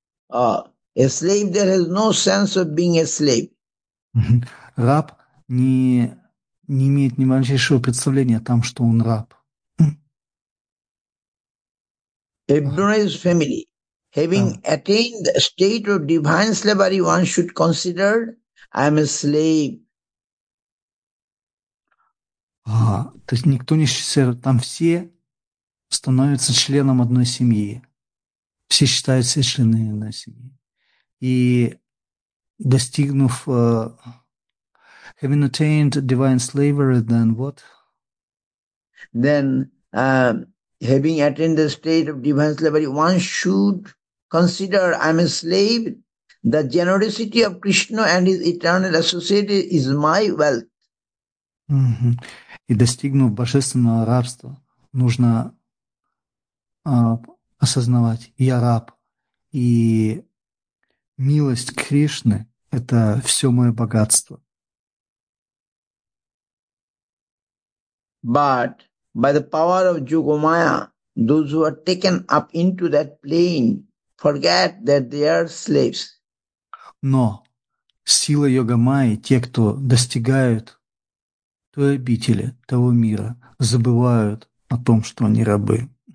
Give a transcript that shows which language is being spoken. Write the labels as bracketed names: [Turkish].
[English] A slave that has no sense of being a slave. [Russian] Раб не имеет ни малейшего представления о том, что он раб. [English] Everyone is family. Having attained the state of divine slavery, one should consider, I am a slave. [Russian] То есть никто не считает, там все становятся членом одной семьи. Все считают себя членами одной семьи. И достигнув, [English] having attained divine slavery, then what? Then, having attained the state of divine slavery, one should consider, I'm a slave, the generosity of Krishna and his eternal associate is my wealth. Mm-hmm. [Russian] И достигнув божественного рабства, нужно осознавать, я раб, и милость Кришны – это все мое богатство. [English] But by the power of Jogamaya, those who are taken up into that plane forget that they are slaves. [Russian] Но сила Йогамайи, те, кто достигают той обители, того мира, забывают о том, что они рабы.